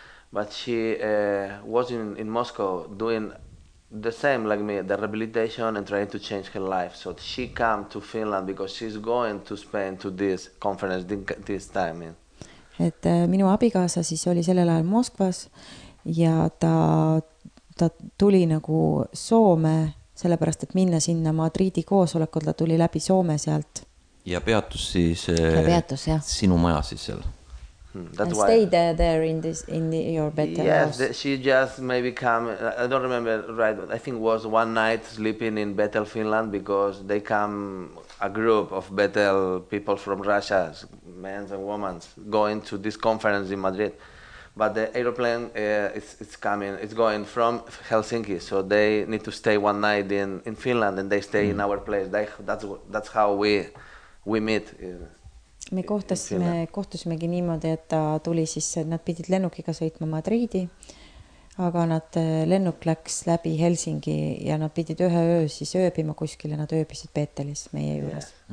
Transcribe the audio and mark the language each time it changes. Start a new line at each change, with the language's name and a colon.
English: But she was in Moscow doing the same like me, the rehabilitation and trying to change her life. So she came to Finland because she's going to Spain to this conference this time.
Estonian: Et minu abikaasa siis oli sellel ajal Moskvas ja ta tuli nagu Soome sellepärast, et minna sinna Madridi koosolekul, ta tuli läbi Soome sealt. Ja peatus siis sinu maja siis seal.
English: That's and stay there in this in the, your bed. Yes, she just maybe come. I don't remember right, but I think it was one night sleeping in Betel, Finland, because they come a group of Betel people from Russia, men and women, going to this conference in Madrid. But the airplane it's coming. It's going from Helsinki, so they need to stay one night in Finland, and they stay in our place. That's how we meet.
Estonian: Me kohtusimegi niimoodi, et ta tuli siis, nad pidid lennukiga sõitma Madridi, aga nad lennuk läks läbi Helsingi ja nad pidid ühe öö siis ööbima kuskile, nad ööbisid Peetelis meie juures.